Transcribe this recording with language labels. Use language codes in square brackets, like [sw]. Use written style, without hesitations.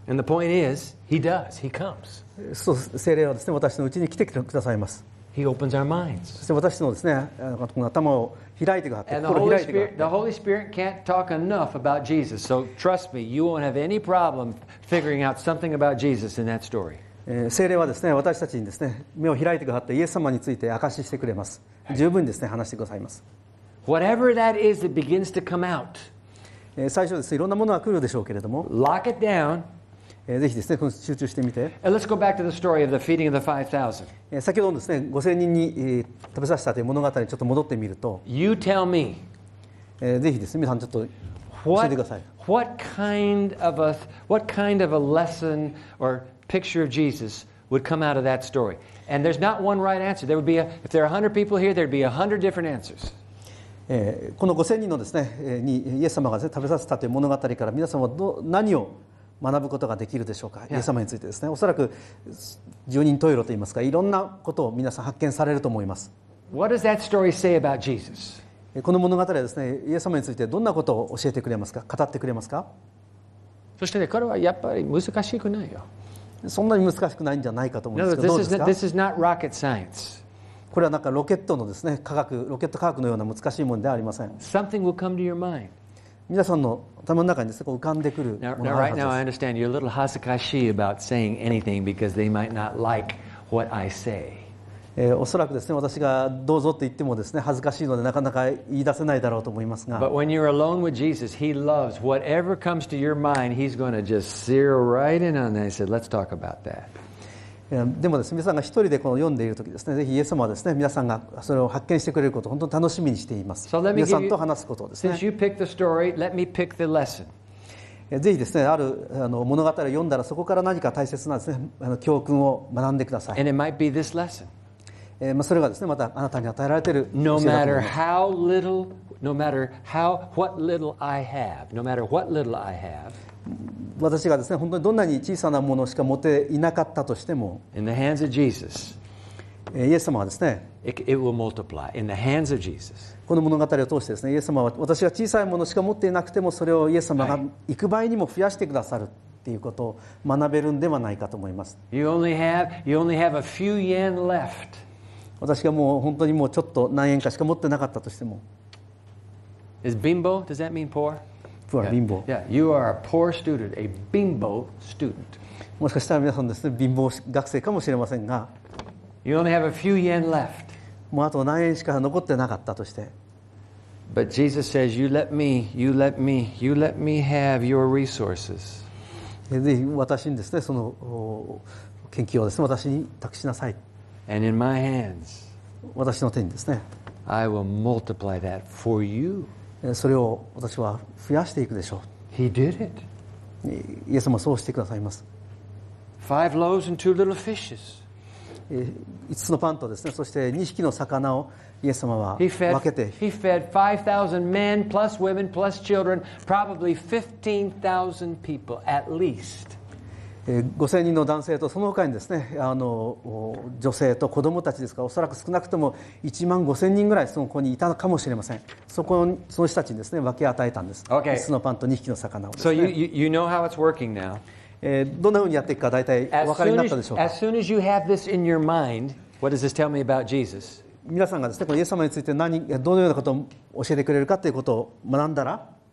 [en] And the point is, he does, he comes. [ja] そう、聖霊はですね、私のうちに来てくださいます。 [en] He opens our minds. [ja] そして私のですね、この頭を開いてくださって、心を開いてくださって。 [en] The Holy Spirit can't talk enough about Jesus. So trust me, you won't have any problem figuring out something about Jesus in that story. [ja] 聖霊はですね、私たちにですね、目を開いてくださってイエス様について証ししてくれます。十分ですね、話してくださいます。 [en] Whatever that is, it begins to come out. [ja] 最初ですね、いろんなものが来るでしょうけれども、 [en] Lock it down. [ja] ぜひですね、集中してみて。 [en] And let's go back to the story of the feeding of the 5,000. [ja] 先ほどですね、5000人に食べさせたという物語にちょっと戻ってみると、 [en] You tell me. [ja] ぜひですね、皆さんちょっと教えてください。 [en] What kind of a lesson orPicture of Jesus would come out of that story, and there's not one right answer. There would be a, if there are 100 people here, there'd be 100 different answers. [ja] この5000人のですね、にイエス様が、ね、食べさせたという物語から皆様は何を学ぶことができるでしょうか。 Yeah. イエス様についてですね、おそらく十人十色といいますか、いろんなことを皆さん発見されると思います。 [en] What does that story say about Jesus? [ja] この物語はですね、イエス様についてどんなことを教えてくれますか、語ってくれますか。そしてね、これはやっぱり難しくないよ。そんなに難しくないんじゃないかと思うんですけど、どうですか。 [en] This is not rocket science. [ja] これはなんかロケットのですね、科学、ロケット科学のような難しいものではありません。 [en] Something will come to your mind. [ja] 皆さんの頭の中にですね、こう浮かんでくるものがあるはずです。 [en] Right now I understand you're a little 恥ずかしい about saying anything because they might not like what I say. [ja] おそらくですね、私がどうぞと言ってもですね、恥ずかしいのでなかなか言い出せないだろうと思いますが、 [en] But when you're alone with Jesus, he loves whatever comes to your mind, he's going to just zero right in on that. He said, let's talk about that. [ja] でもですね、皆さんが一人でこの読んでいるときですね、ぜひイエス様はですね、皆さんがそれを発見してくれることを本当に楽しみにしています。 [en] So let me give you, [ja] 皆さんと話すことですね。 [en] Since you picked the story, let me pick the lesson. [ja] ぜひですね、ある物語を読んだら、そこから何か大切なですね、教訓を学んでください。 [en] And it might be this lesson. [ja] それがですね、またあなたに与えられている。 [en] No matter how little, no matter how what little I have, no matter what little I have, [ja] 私がですね、本当にどんなに小さなものしか持っていなかったとしても、 [en] in the hands of Jesus, [ja] イエス様はですね、 [en] it will multiply in the hands of Jesus. [ja] この物語を通してですね、イエス様は私が小さいものしか持っていなくても、それをイエス様が幾倍にも増やしてくださる。ということを学べるんではないかと思います。 [en] You only have a few yen left. [ja] 私がもう本当にもうちょっと何円かしか持ってなかったとしても、 [en] is bimbo? Does that mean poor? Poor, yeah. bimbo. Yeah, you are a poor student, a bimbo student. [ja] もしかしたら皆さんですね、貧乏学生かもしれませんが、 [en] you only have a few yen left. [ja] もうあと何円しか残ってなかったとして、 [en] but Jesus says, you let me have your resources. [ja] で、私にですね、その研究をですね、私に託しなさい。 [en] And in my hands, [ja] 私の手にですね、 [en] I will multiply that for you. [ja] それを私は増やしていくでしょう。 [en] He did it. [ja] イエス様はそうしてくださいます。 [en] Five loaves and two little fishes. [ja] 5つのパンとですね、そして2匹の魚をイエス様は分けて。 [en] He fed 5,000 men plus women plus children, probably 15,000 people at least. [ja] 5000人の男性とその他にですね、女性と子供たちですから、おそらく少なくとも1万5000人ぐらいその子にいたかもしれません。その人たちにですね、分け与えたんです。 [en] Okay. [ja] 5つのパンと2匹の魚をですね。 [en] So you know how it's working now. [ja] どんなふうにやっていくか大体お分かりになったでしょうか。 [en] As soon as you have this in your mind, what does this tell me about Jesus? [ja] 皆さんがですね、このイエス様について どのようなことを教えてくれるかということを学んだら、